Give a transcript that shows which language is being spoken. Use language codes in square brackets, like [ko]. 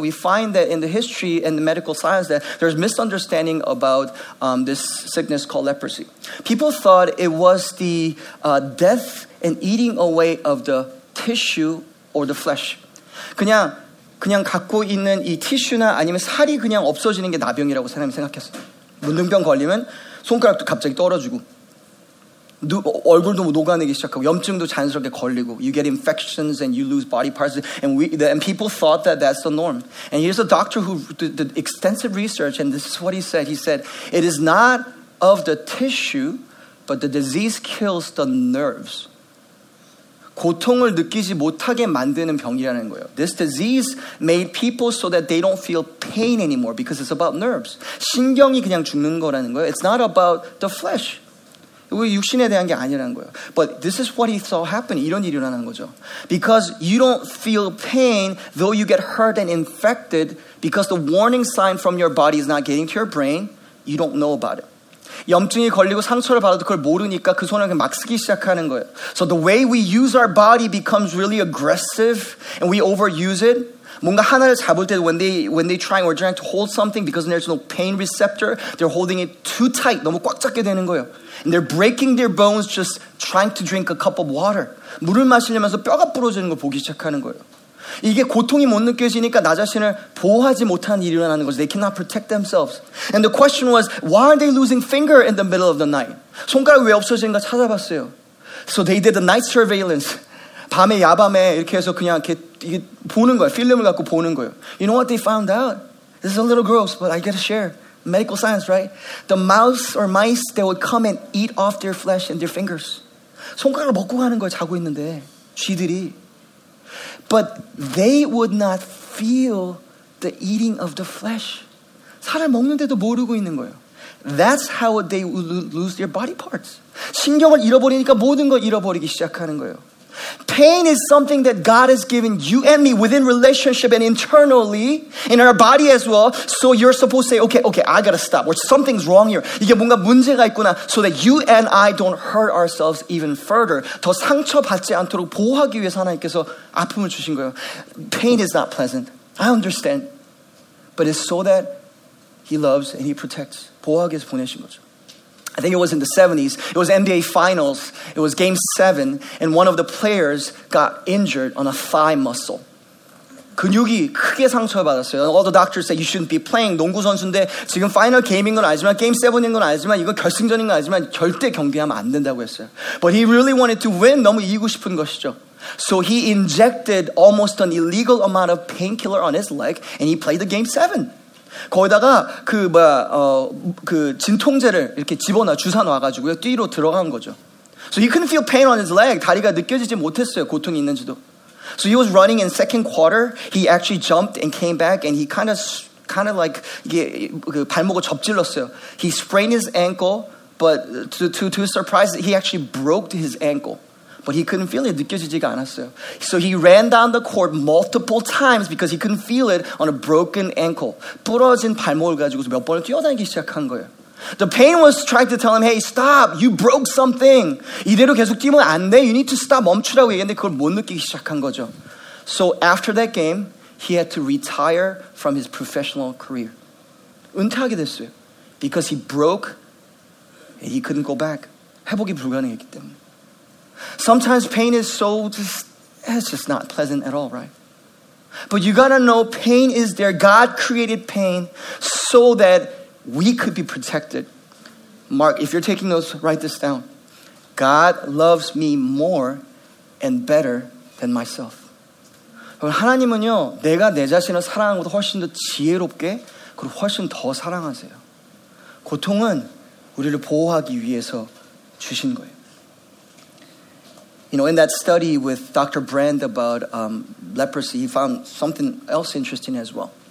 [en] We find that in the history and the medical science that there's misunderstanding about this sickness called leprosy. People thought it was the death and eating away of the tissue or the flesh. [ko] 그냥 갖고 있는 이 티슈나 아니면 살이 그냥 없어지는 게 나병이라고 사람이 생각했어요. 문둥병 걸리면 손가락도 갑자기 떨어지고 얼굴도 뭐 녹아내기 시작하고 염증도 자연스럽게 걸리고 [en] you get infections and you lose body parts and people thought that that's the norm. And here's a doctor who did extensive research and this is what he said. He said, it is not of the tissue, but the disease kills the nerves. [ko] 고통을 느끼지 못하게 만드는 병이라는 거예요. [en] This disease made people so that they don't feel pain anymore because it's about nerves. [ko] 신경이 그냥 죽는 거라는 거예요. [en] It's not about the flesh. [ko] 육신에 대한 게 아니라는 거예요. [en] But this is what he saw happen. [ko] 이런 일이 일어나는 거죠. [en] Because you don't feel pain though you get hurt and infected because the warning sign from your body is not getting to your brain, you don't know about it. [ko] 염증이 걸리고 상처를 받아도 그걸 모르니까 그 손을 그냥 막 쓰기 시작하는 거예요. [en] So the way we use our body becomes really aggressive and we overuse it. [ko] 뭔가 하나를 잡을 때 [en] when they're trying to hold something because there's no pain receptor, they're holding it too tight. [ko] 너무 꽉 잡게 되는 거예요. [en] And they're breaking their bones just trying to drink a cup of water. [ko] 물을 마시려면서 뼈가 부러지는 걸 보기 시작하는 거예요. 이게 고통이 못 느껴지니까 나 자신을 보호하지 못한 일이 일어나는 거죠. [en] They cannot protect themselves. And the question was, why are they losing finger in the middle of the night? [ko] 손가락이 왜 없어지는가 찾아봤어요. [en] So they did the night surveillance. [ko] 밤에 야밤에 이렇게 해서 그냥 이렇게 보는 거예요. 필름을 갖고 보는 거예요. [en] You know what they found out? This is a little gross, but I gotta share. Medical science, right? The mouse or mice, they would come and eat off their flesh and their fingers. [ko] 손가락을 먹고 가는 거예요, 자고 있는데. 쥐들이. [en] But they would not feel the eating of the flesh. [ko] 살을 먹는데도 모르고 있는 거예요. [en] That's how they would lose their body parts. [ko] 신경을 잃어버리니까 모든 걸 잃어버리기 시작하는 거예요. [en] Pain is something that God has given you and me within relationship and internally in our body as well. So you're supposed to say, okay, I gotta stop. Or something's wrong here. [ko] 이게 뭔가 문제가 있구나. [en] So that you and I don't hurt ourselves even further. [ko] 더 상처받지 않도록 보호하기 위해서 하나님께서 아픔을 주신 거예요. [en] Pain is not pleasant. I understand. But it's so that he loves and he protects. [ko] 보호하기 위해서 보내신 거죠. [en] I think it was in the 70s. It was NBA Finals. It was game 7. And one of the players got injured on a thigh muscle. [ko] 근육이 크게 상처를 받았어요. [en] All the doctors said you shouldn't be playing. [ko] 농구 선수인데 지금 파이널 게임인 건 아니지만 게임 7인 건 아니지만 이거 결승전인 건 아니지만 절대 경기하면 안 된다고 했어요. [en] But he really wanted to win. [ko] 너무 이기고 싶은 것이죠. [en] So he injected almost an illegal amount of painkiller on his leg and he played the game 7. [ko] 거기다가 그 진통제를 이렇게 집어넣어 주사 놔가지고요 뒤로 들어간 거죠. [en] So he couldn't feel pain on his leg. [ko] 다리가 느껴지지 못했어요. 고통이 있는지도. [en] So he was running in second quarter. He actually jumped and came back and he kind of like [ko] 이게 그 발목을 접질렀어요. [en] He sprained his ankle, but to his surprise, he actually broke his ankle. But he couldn't feel it. [ko] 느껴지지가 않았어요. [en] So he ran down the court multiple times because he couldn't feel it on a broken ankle. [ko] 부러진 발목을 가지고 몇 번을 뛰어다니기 시작한 거예요. [en] The pain was trying to tell him, hey, stop. You broke something. [ko] 이대로 계속 뛰면 안 돼. [en] You need to stop. [ko] 멈추라고 얘기했는데 그걸 못 느끼기 시작한 거죠. [en] So after that game, he had to retire from his professional career. [ko] 은퇴하게 됐어요. [en] Because he broke and he couldn't go back. [ko] 회복이 불가능했기 때문에. [en] Sometimes pain is so it's just not pleasant at all, right? But you gotta know pain is there. God created pain so that we could be protected. Mark, if you're taking notes, write this down. God loves me more and better than myself. [ko] 하나님은요, 내가 내 자신을 사랑하는 것보다 훨씬 더 지혜롭게 그리고 훨씬 더 사랑하세요. 고통은 우리를 보호하기 위해서 주신 거예요. [en] You know, in that study with Dr. Brand about leprosy, he found something else interesting as well.